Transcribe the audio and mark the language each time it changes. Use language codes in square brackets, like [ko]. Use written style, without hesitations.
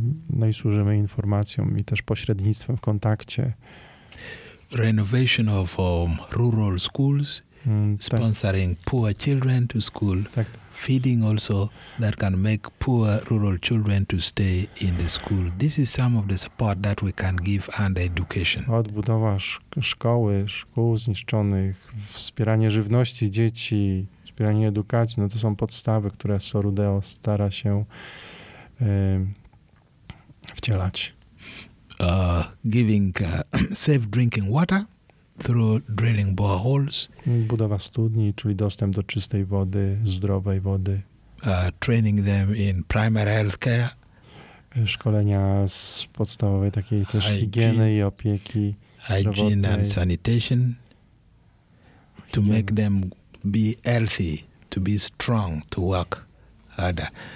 [pl] No i służymy informacją i też pośrednictwem w kontakcie. [en] Renovation of rural schools, sponsoring poor children to school, feeding also that can make poor rural children to stay in the school. This is some of the support that we can give and education. [pl] Odbudowa szkoły, szkół zniszczonych, wspieranie żywności dzieci, wspieranie edukacji, no to są podstawy, które Surudeo stara się wcielać. [en] Giving safe drinking water. through drilling boreholes. [pl] Budowa studni, czyli dostęp do czystej wody, zdrowej wody. [en] Training them in primary health care. [pl] Szkolenia z podstawowej takiej też higieny i opieki zdrowotnej. [en] Hygiene and sanitation. To make them be healthy, to be strong, to work harder.